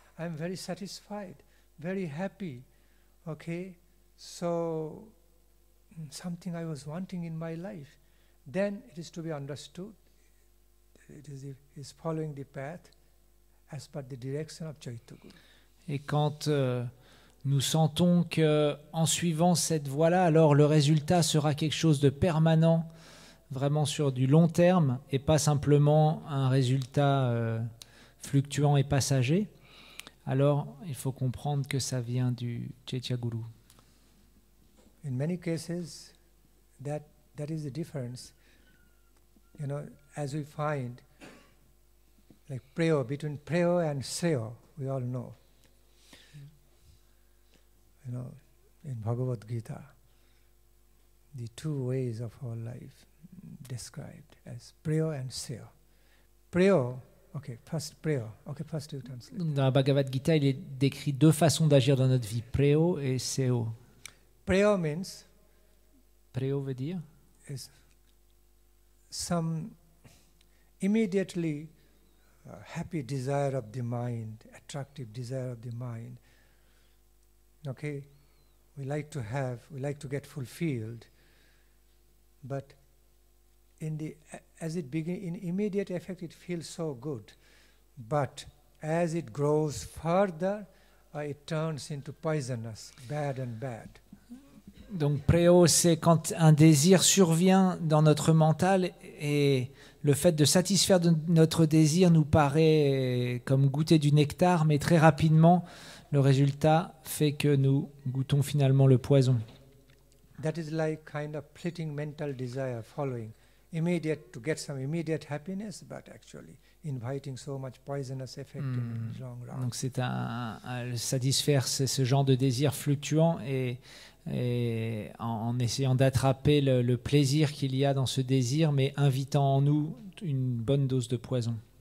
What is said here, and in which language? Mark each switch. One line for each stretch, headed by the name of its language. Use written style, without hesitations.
English: I am very satisfied, very happy. Okay, so something I was wanting in my life, then it is to be understood. It is following the path as per the direction of Chaitanya Guru.
French: Et quand nous sentons que en suivant cette voie-là, alors le résultat sera quelque chose de permanent, vraiment sur du long terme et pas simplement un résultat fluctuant et passager, alors il faut comprendre que ça vient du Chaitanya Guru.
English: In many cases that is the difference, you know, as we find like prayer, between prayer and seo, we all know, you know, in Bhagavad Gita the two ways of our life described as prayer and seo. Prayer, okay, first prayer, okay, first you translate.
French: Dans la Bhagavad Gita, il est décrit deux façons d'agir dans notre vie, prayer et seo.
English: Prayer means,
French: prayer veut dire,
English: is some immediately happy desire of the mind, attractive desire of the mind. Okay, we like to have, we like to get fulfilled, but in the as it begin in immediate effect it feels so good, but as it grows further it turns into poisonous, bad.
French: Donc preo, c'est quand un désir survient dans notre mental et le fait de satisfaire de notre désir nous paraît comme goûter du nectar, mais très rapidement le résultat fait que nous goûtons finalement le poison.
English: That is like kind of fleeting mental desire following immediate to get some immediate happiness, but actually inviting so much poisonous effect in the long run.
French: Donc c'est satisfaire ce genre de désir fluctuant et en essayant d'attraper le plaisir qu'il y a dans ce désir, mais invitant en nous une bonne dose de poison.